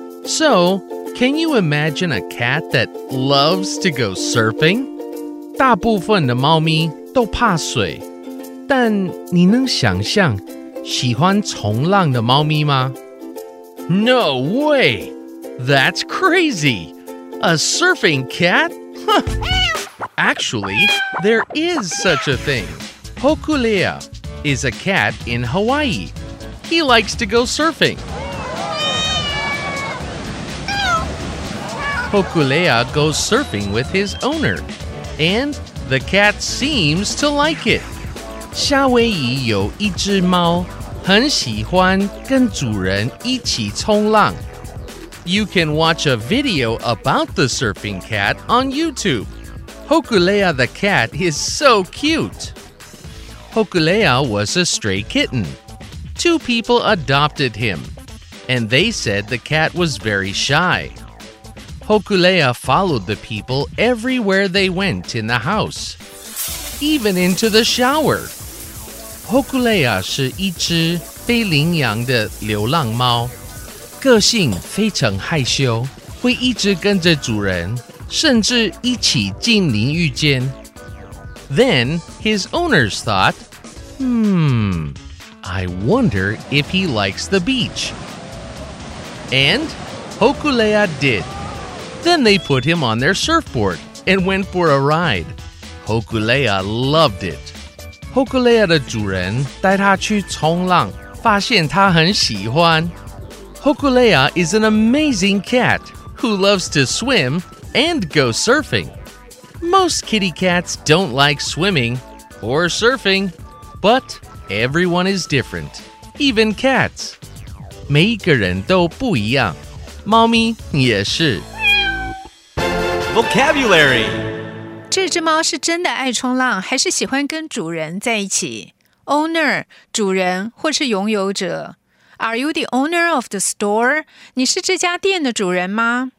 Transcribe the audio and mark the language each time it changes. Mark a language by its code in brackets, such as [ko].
[en] So, can you imagine a cat that loves to go surfing? [zh] 大部分的猫咪都怕水，但你能想象喜欢冲浪的猫咪吗？ [en] No way! That's crazy! A surfing cat? Actually, there is such a thing. Hokule'a is a cat in Hawaii. He likes to go surfing. Hokule'a goes surfing with his owner, and the cat seems to like it. [zh] 夏威夷有一隻貓很喜欢跟主人一起冲浪。 [en] You can watch a video about the surfing cat on YouTube. Hokule'a the cat is so cute. Hokule'a was a stray kitten. Two people adopted him, and they said the cat was very shy. Hokule'a followed the people everywhere they went in the house, even into the shower. [zh] Hokule'a 是一只被领养的流浪猫，个性非常害羞，会一直跟着主人，甚至一起进淋浴间。 [en] Then his owners thought, I wonder if he likes the beach. And Hokule'a did. Then they put him on their surfboard and went for a ride. Hokule'a loved it. [zh] Hokule'a 的主人带他去冲浪，发现他很喜欢。 [en] Hokule'a is an amazing cat who loves to swim and go surfing. Most kitty cats don't like swimming or surfing, but everyone is different, even cats. [zh] 每一个人都不一样，猫咪也是。 [en] Vocabulary. [zh] 这只猫是真的爱冲浪，还是喜欢跟主人在一起 ？Owner， 主人或是拥有者。 [en] Are you the owner of the store？ [zh] 你是这家店的主人吗